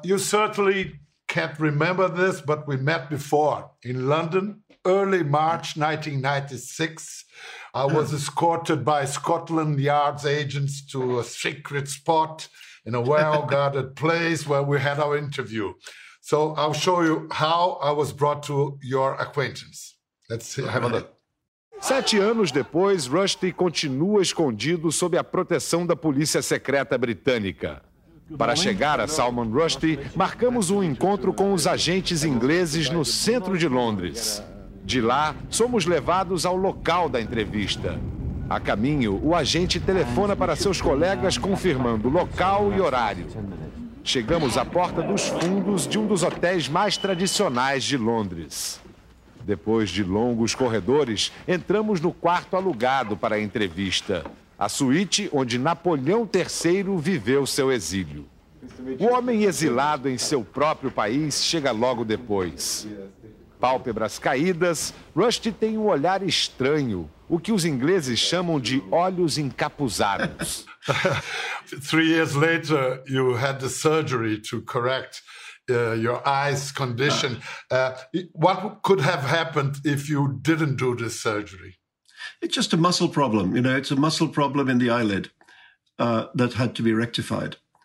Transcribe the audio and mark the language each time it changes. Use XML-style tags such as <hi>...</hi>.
<en>You certainly can't remember this, but we met before in London, early March 1996. I was escorted by Scotland Yard's agents to a secret spot in a well-guarded place where we had our interview. So I'll show you how I was brought to your acquaintance. Let's have a look.</en> <pt>7 anos depois, Rushdie continua escondido sob a proteção da polícia secreta britânica. Para chegar a Salman Rushdie, marcamos um encontro com os agentes ingleses no centro de Londres. De lá, somos levados ao local da entrevista. A caminho, o agente telefona para seus colegas confirmando local e horário. Chegamos à porta dos fundos de um dos hotéis mais tradicionais de Londres. Depois de longos corredores, entramos no quarto alugado para a entrevista. A suíte onde Napoleão III viveu seu exílio. O homem exilado em seu próprio país chega logo depois. Pálpebras caídas, Rushdie tem um olhar estranho, o que os ingleses chamam de olhos encapuzados.</pt> <en>3 years later, you had the surgery to correct your eyes condition. What could have happened if you didn't do this surgery? It's just a muscle problem, you know. It's a muscle problem in the eyelid that had to be rectified.</en>